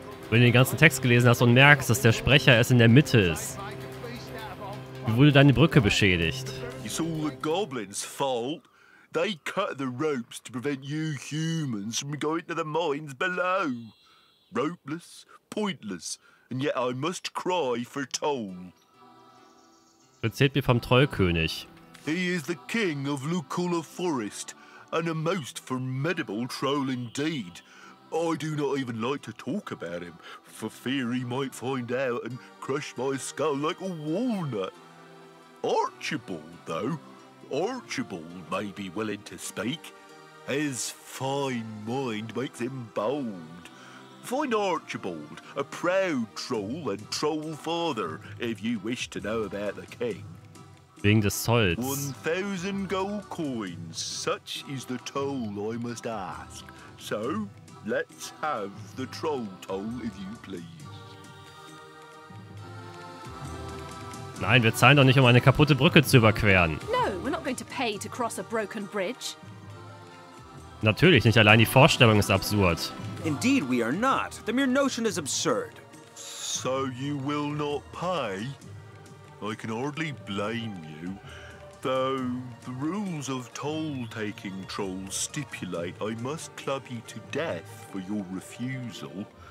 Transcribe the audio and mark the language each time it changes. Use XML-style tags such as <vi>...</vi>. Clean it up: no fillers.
<de>Wenn du den ganzen Text gelesen hast und merkst, dass der Sprecher erst in der Mitte ist, wie wurde deine Brücke beschädigt?</de> <en>It's all the goblins' fault. They cut the ropes to prevent you humans from going to the mines below. Ropeless, pointless, and yet I must cry for toll.</en> <de>Erzählt mir vom Trollkönig.</de> <en>He is the king of Lucula Forest, and a most formidable troll indeed. I do not even like to talk about him, for fear he might find out and crush my skull like a walnut. Archibald, though, Archibald may be willing to speak. His fine mind makes him bold. Find Archibald, a proud troll and troll father, if you wish to know about the king.</en> <de>Wegen des Zolls.</de> <en>1,000 gold coins, such is the toll I must ask. So, let's have the troll toll, if you please.</en> <de>Nein, wir zahlen doch nicht, um eine kaputte Brücke zu überqueren.</de> <en>No, we're not going to pay to cross a broken bridge.</en> <de>Natürlich nicht, allein die Vorstellung ist absurd.</de> <en>Indeed, we are not. The mere notion is absurd. So you will not pay? I can hardly blame you. Though the rules of toll-taking trolls stipulate I must club you to death for your refusal.</en>